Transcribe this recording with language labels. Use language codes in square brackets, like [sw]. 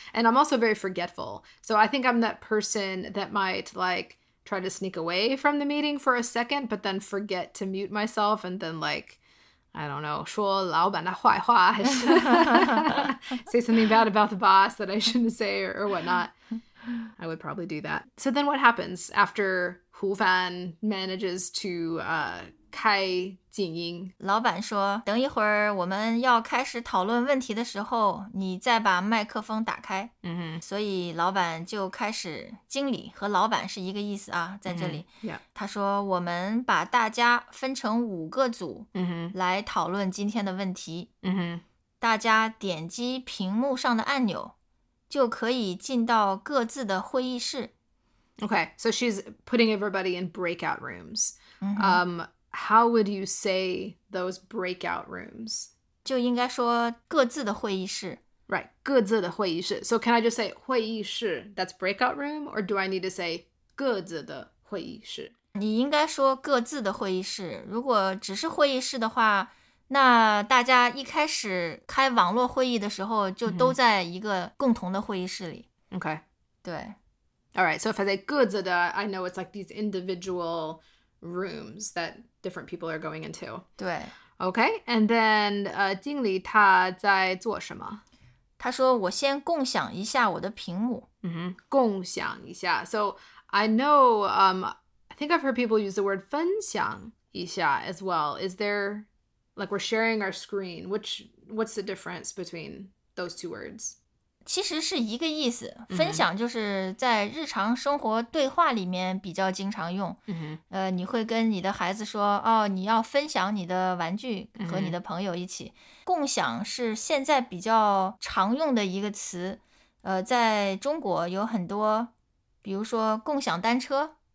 [en] And I'm also very forgetful so I think I'm that person that might likeTry to sneak away from the meeting for a second, but then forget to mute myself. And then like, I don't know, [zh] 说老板的坏话, [en] say something bad about the boss that I shouldn't say or whatnot. I would probably do that. So then what happens after Hu Fan manages to [zh] 开静音。老板说，等一会儿我们要开始讨论问题的时候，你再把麦克风打开。嗯，所以老板就开始，经理和老板是一个意思啊，在这里。 [en] 嗯 yeah. [zh] 他说，我们把大家分成五个组，嗯哼，来讨论今天的问题。嗯哼，大家点击屏幕上的按钮，就可以进到各自的会议室。 [en] Okay, so she's putting everybody in breakout rooms. Mm-hmm. How would you say those breakout rooms? [zh] 就应该说各自的会议室。 [en] Right, [zh] 各自的会议室。 [en] So can I just say 会议室, that's breakout room? Or do I need to say [zh] 各自的会议室? 你应该说各自的会议室。如果只是会议室的话，那大家一开始开网络会议的时候就都在一个共同的会议室里。 [en] Mm-hmm. Okay. [zh] 对。 [en] All right, so if I say 各自的, I know it's like these individual rooms that different people are going into. [zh] 对。 [en] Okay, and then [zh] 经理他在做什么? 他说我先共享一下我的屏幕。 Mm-hmm. 共享一下。 [en] So I know, I think I've heard people use the word 分享一下 as well. Is there, like we're sharing our screen, what's the difference between those two words? [zh] 其实是一个意思，分享就是在日常生活对话里面比较经常用。 Mm-hmm. 你会跟你的孩子说，哦，你要分享你的玩具和你的朋友一起。 Mm-hmm. 共享是现在比较常用的一个词，在中国有很多，比如说共享单车，